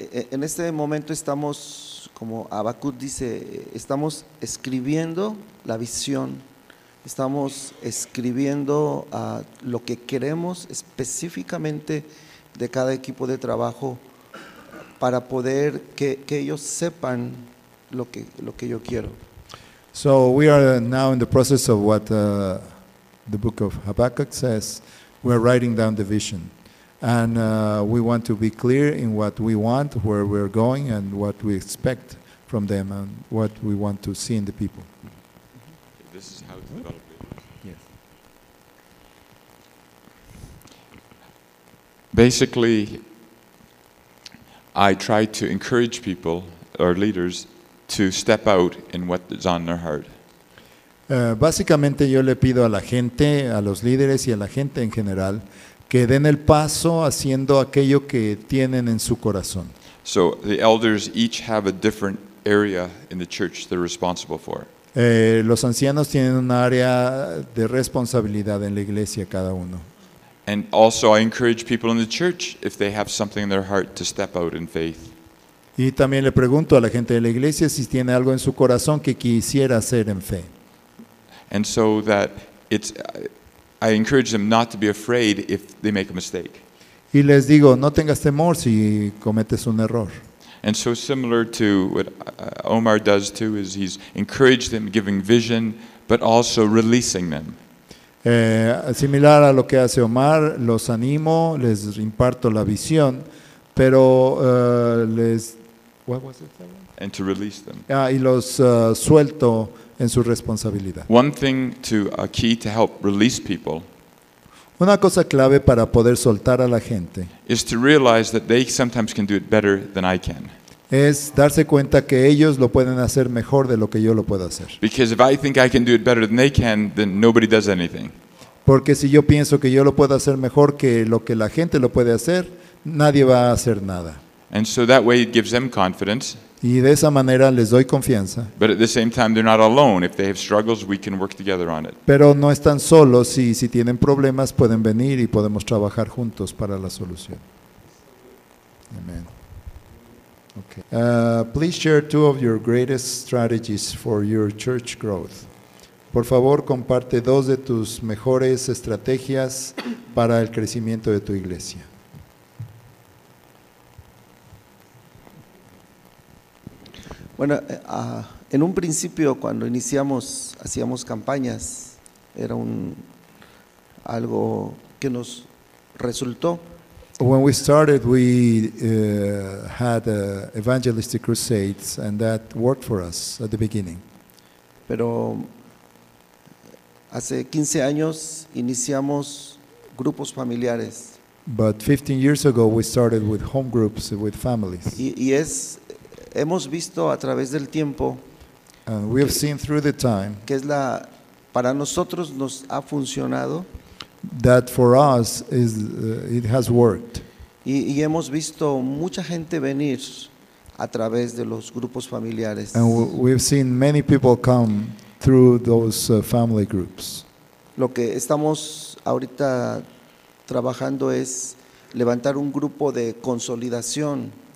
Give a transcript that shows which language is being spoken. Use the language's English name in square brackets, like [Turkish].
[Spanish] En este momento estamos, como Habacuc dice, estamos escribiendo la visión, estamos escribiendo lo que queremos específicamente de cada equipo de trabajo para poder que ellos sepan lo que yo quiero. [English] So we are now in the process of what the book of Habakkuk says. We are writing down the vision. And we want to be clear in what we want, where we're going, and what we expect from them, and what we want to see in the people. This is how it's developed. Basically, I try to encourage people or leaders to step out in what is on their heart. [Spanish] Básicamente, yo le pido a la gente, a los líderes y a la gente en general, que den el paso haciendo aquello que tienen en su corazón. [English] So the elders each have a different area in the church they're responsible for. [Spanish] Los ancianos tienen un área de responsabilidad en la iglesia cada uno. [English] And also I encourage people in the church if they have something in their heart to step out in faith. [Spanish] Y también le pregunto a la gente de la iglesia si tiene algo en su corazón que quisiera hacer en fe. [English] And so that it's I encourage them not to be afraid if they make a mistake. [Spanish] Y les digo, no tengas temor si cometes un error. [English] And so similar to what Omar does too is he's encouraged them giving vision but also releasing them. [Spanish] Similar a lo que hace Omar, los animo, les imparto la visión, pero les [English] what was it? And to release them. [Spanish] Y los suelto en su responsabilidad. [English] One thing to a key to help release people. [Spanish] Una cosa clave para poder soltar a la gente. [English] Is to realize that they sometimes can do it better than I can. [Spanish] Es darse cuenta que ellos lo pueden hacer mejor de lo que yo lo puedo hacer. [English] Because if I think I can do it better than they can, then nobody does anything. [Spanish] Porque si yo pienso que yo lo puedo hacer mejor que lo que la gente lo puede hacer, nadie va a hacer nada. [English] And so that way it gives them confidence. [Spanish] Y de esa manera les doy confianza. [English] But at the same time they're not alone. If they have struggles, we can work together on it. [Spanish] Pero no están solos y si tienen problemas pueden venir y podemos trabajar juntos para la solución. Amén. Okay. [English] Please share two of your greatest strategies for your church growth. [Spanish] Por favor, comparte dos de tus mejores estrategias para el crecimiento de tu iglesia. Bueno, en un principio, cuando iniciamos, hacíamos campañas, era algo que nos resultó. [English] When we started, we had evangelistic crusades, and that worked for us at the beginning. [Spanish] Pero hace 15 años iniciamos grupos familiares. [English] But 15 years ago, we started with home groups with families. [Spanish] Y hemos visto a través del tiempo. [English] And we have seen through the time. [Spanish] Que es la para nosotros nos ha funcionado. [English] That for us is it has worked. [Spanish] Y hemos visto mucha gente venir a través de los grupos familiares. [English] And we've seen many people come through those family groups. [Spanish] Lo que estamos ahorita trabajando es levantar un grupo de consolidación.